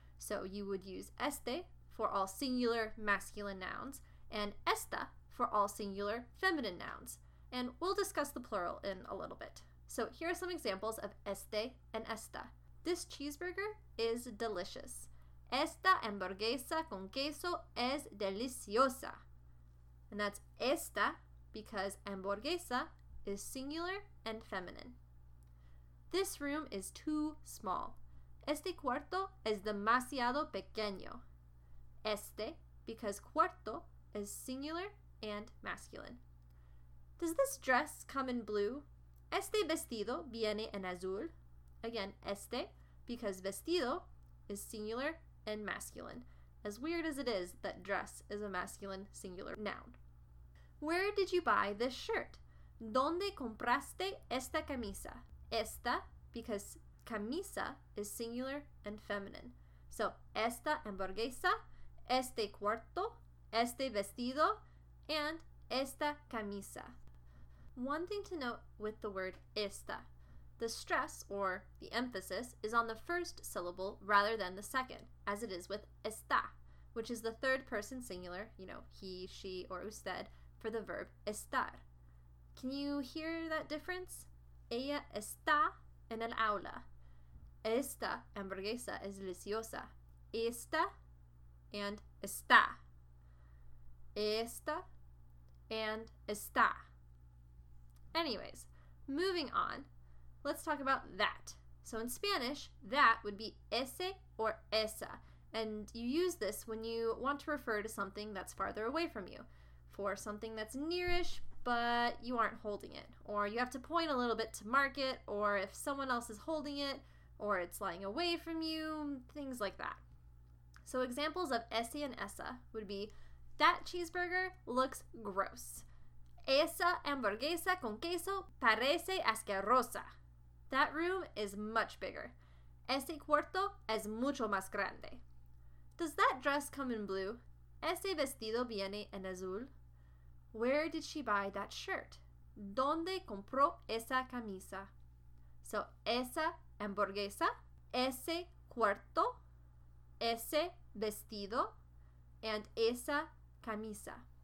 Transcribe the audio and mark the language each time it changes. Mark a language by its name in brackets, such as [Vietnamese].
[English] So you would use este for all singular masculine nouns and esta for all singular feminine nouns. And we'll discuss the plural in a little bit. So here are some examples of este and esta. This cheeseburger is delicious. [Spanish] Esta hamburguesa con queso es deliciosa. [English] And that's esta because hamburguesa is singular and feminine. This room is too small. [Spanish] Este cuarto es demasiado pequeño. [English] Este, because cuarto is singular and masculine. Does this dress come in blue? [Spanish] Este vestido viene en azul. [English] Again, este, because vestido is singular and masculine. As weird as it is that dress is a masculine singular noun. Where did you buy this shirt? [Spanish] ¿Dónde compraste esta camisa? [English] Esta, because camisa is singular and feminine. [Spanish] So, esta hamburguesa, este cuarto, este vestido, and esta camisa. [English] One thing to note with the word esta, the stress, or the emphasis, is on the first syllable rather than the second, as it is with esta, which is the third person singular, you know, he, she, or usted, for the verb estar. Can you hear that difference? [Spanish] Ella está en el aula. Esta hamburguesa es deliciosa. Esta and está. Esta and está. [English] Anyways, moving on, let's talk about that. So in Spanish, that would be ese or esa, and you use this when you want to refer to something that's farther away from you, for something that's nearish, but you aren't holding it, or you have to point a little bit to mark it, or if someone else is holding it, or it's lying away from you, things like that. So examples of ese and esa would be, that cheeseburger looks gross. [Spanish] Esa hamburguesa con queso parece asquerosa. [English] That room is much bigger. [Spanish] Ese cuarto es mucho más grande. [English] Does that dress come in blue? [Spanish] Ese vestido viene en azul. [English] Where did she buy that shirt? [Spanish] ¿Dónde compró esa camisa? So, esa hamburguesa, ese cuarto, ese vestido, and esa camisa.